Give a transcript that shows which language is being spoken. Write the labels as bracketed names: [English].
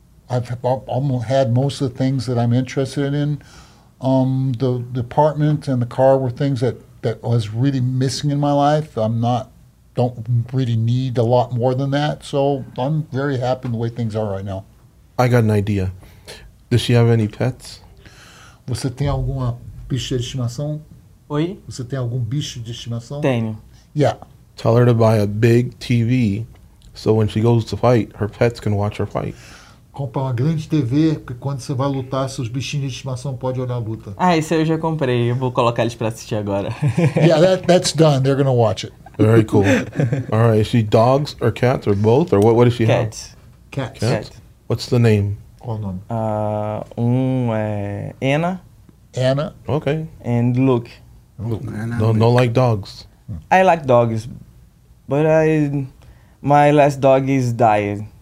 [English] I've almost had most of the things that I'm interested in. The apartment and the car were things that was really missing in my life. Don't really need a lot more than that. So I'm very happy the way things are right now. I got an idea. Does she have any pets? [Portuguese] Você tem alguma bicha de estimação? Oi? Você tem algum bicho de estimação? Tenho. [English] Yeah. Tell her to buy a big TV so when she goes to fight, her pets can watch her fight. [Portuguese] Comprar uma grande TV, porque quando você vai lutar, seus bichinhos de estimação podem olhar a luta. Ah, isso eu já comprei. Eu vou colocar eles pra assistir agora. [English] Yeah, that's done. They're gonna watch it. Very cool. All right, is she dogs or cats or both? Or what does she cats. Have? Cats. Cats. Cat. What's the name? [Portuguese] Qual o nome? Anna. Anna. [English] Okay. And Luke. Luke. Anna, no like dogs. I like dogs. But my last dog is dying.